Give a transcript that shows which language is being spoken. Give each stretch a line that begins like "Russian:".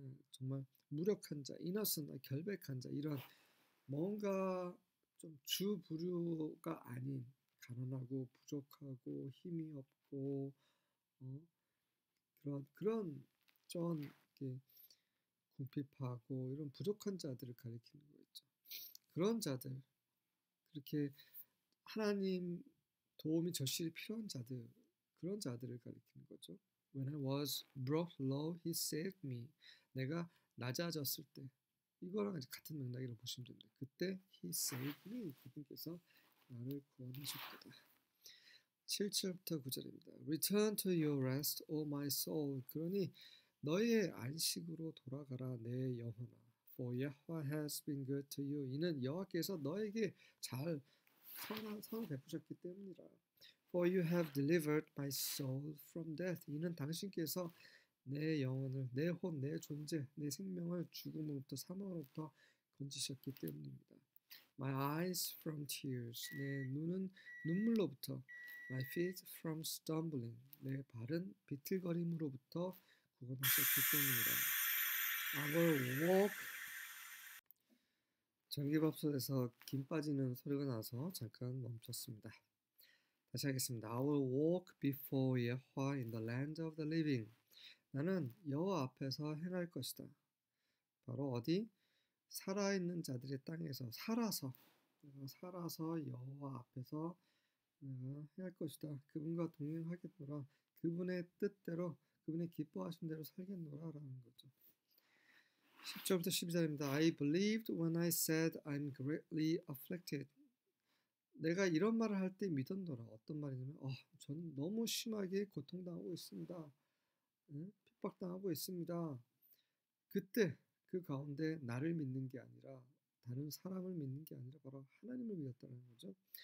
Korean: 정말 무력한 자, 이너스나 결백한 자, 이런 뭔가 좀 주부류가 아닌 가난하고 부족하고 힘이 없고 그런 좀 이렇게 궁핍하고 이런 부족한 자들을 가리키는 거죠. 그런 자들, 그렇게 하나님 도움이 절실히 필요한 자들, 그런 자들을 가리키는 거죠.
English: When I was brought low, he saved me.
Korean: 내가 낮아졌을 때, 이거랑 이제 같은 맥락이라고 보시면 됩니다. 그때
English: he saved me.
Korean: 그분께서 나를 구원하셨다. 7절부터 9절입니다.
English: Return to your rest, O my soul.
Korean: 그러니 너의 안식으로 돌아가라, 내 영혼아.
English: For Yahweh has been good to you.
Korean: 이는 여호와께서 너에게 잘 선을 베푸셨기 때문이라.
English: For you have delivered my soul from death.
Korean: 이는 당신께서 내 영혼을, 내 혼, 내 존재, 내 생명을 죽음으로부터, 사망으로부터 건지셨기 때문입니다.
English: My eyes from tears.
Korean: 내 눈은 눈물로부터.
English: My feet from stumbling.
Korean: 내 발은 비틀거림으로부터 구원하셨기 때문이라.
English: I will walk.
Korean: 전기밥솥에서 김 빠지는 소리가 나서 잠깐 멈췄습니다. 다시 하겠습니다.
English: I will walk before Yahweh in the land of the living.
Korean: 나는 여호와 앞에서 행할 것이다. 바로 어디? 살아있는 자들의 땅에서 살아서 살아서 여호와 앞에서 행할 것이다. 그분과 동행하겠노라. 그분의 뜻대로, 그분의 기뻐하신 대로 살겠노라 라는 거죠. 10절부터 12절입니다. I believed when I said I'm greatly afflicted. 내가 이런 말을 할 때 믿었노라. 어떤 말이냐면 저는 너무 심하게 고통당하고 있습니다. 핍박당하고 있습니다. 그때 그 가운데 나를 믿는 게 아니라 다른 사람을 믿는 게 아니라 바로 하나님을 믿었다는 거죠.